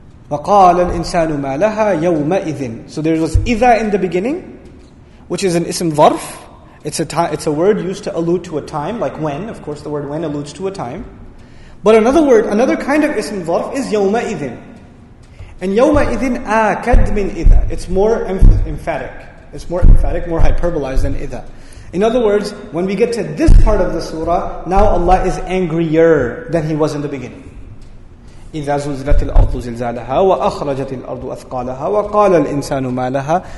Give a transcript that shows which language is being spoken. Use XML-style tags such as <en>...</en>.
<ar>وَقَالَ الْإِنسَانُ مَا لَهَا يَوْمَئِذٍ.</ar> <en>So there was إِذَا in the beginning, which is an ism ظرف. It's a word used to allude to a time, like when. Of course, the word when alludes to a time. But another word, another kind of ism ظرف is يَوْمَئِذٍ.</en> <ar>And يَوْمَئِذٍ أَكَدْ مِنْ إِذَا.</ar> <en>It's more emphatic. It's more emphatic, more hyperbolized than إِذَا. In other words, when we get to this part of the surah, now Allah is angrier than He was in the beginning.</en> <ar>إِذَا زُلْزِلَتِ الْأَرْضُ زِلْزَالَهَا وَأَخْرَجَتِ الْأَرْضُ أَثْقَالَهَا وَقَالَ الْإِنسَانُ مَا لَهَا.</ar>